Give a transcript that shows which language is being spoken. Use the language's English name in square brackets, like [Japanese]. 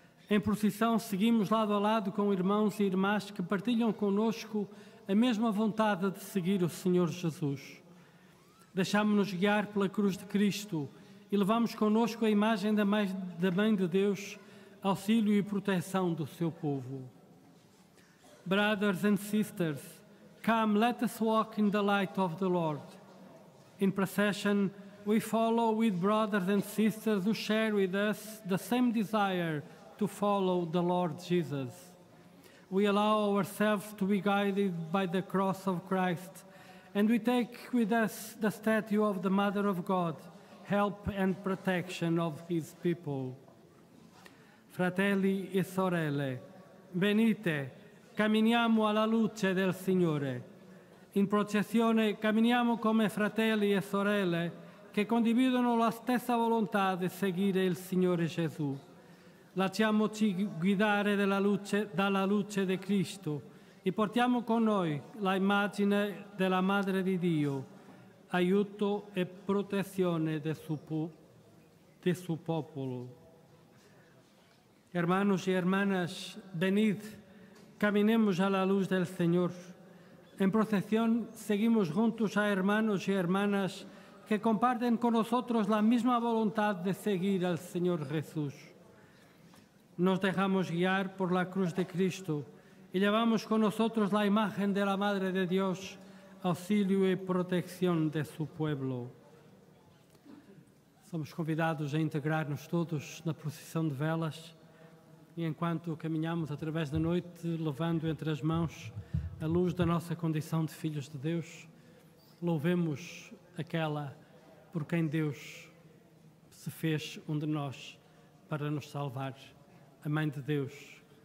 [Portuguese] Em procissão, seguimos lado a lado com irmãos e irmãs que partilham connosco a mesma vontade de seguir o Senhor Jesus. Deixámo-nos guiar pela cruz de Cristo e levamos connosco a imagem da Mãe de Deus, auxílio e proteção do seu povo. [English] Brothers and sisters, come, let us walk in the light of the Lord. In procession, we follow with brothers and sisters who share with us the same desire to follow the Lord Jesus. We allow ourselves to be guided by the cross of Christ, and we take with us the statue of the Mother of God, help and protection of His people. [Italian] Fratelli e sorelle, venite, camminiamo alla luce del Signore. In processione camminiamo come fratelli e sorelle che condividono la stessa volontà di seguire il Signore Gesù. Lasciamoci guidare dalla luce di Cristo e portiamo con noi l'immagine della Madre di Dio, aiuto e protezione del suo popolo. [Spanish] Hermanos y hermanas, venid, caminemos a la luz del Señor. En procesión seguimos juntos a hermanos y hermanas que comparten con nosotros la misma voluntad de seguir al Señor Jesús. Nos dejamos guiar por la cruz de Cristo y llevamos con nosotros la imagen de la Madre de Dios, auxilio y protección de su pueblo. [Portuguese] Somos convidados a integrarnos todos na procissão de velas. E enquanto caminhamos através da noite, levando entre as mãos a luz da nossa condição de filhos de Deus, louvemos aquela por quem Deus se fez um de nós para nos salvar, a Mãe de Deus.